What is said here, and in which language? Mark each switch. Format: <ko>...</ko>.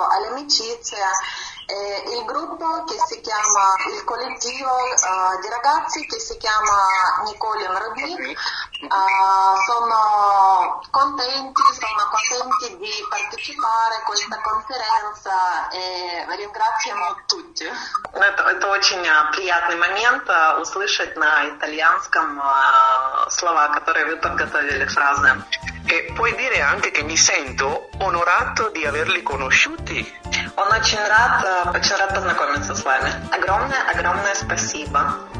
<it>Amicizia, il gruppo che si chiama il collettivo di ragazzi che si chiama Nicolin Rubin, sono contenti di partecipare a questa conferenza e ringraziamo tutti.</it> <ru>Это очень приятный момент услышать на итальянском слова, которые вы подготовили, фразы.</ru> <it>E puoi dire anche che mi sento onorato di averli conosciuti.</it> <ru>Он очень рад познакомиться с вами. Огромное спасибо.</ru>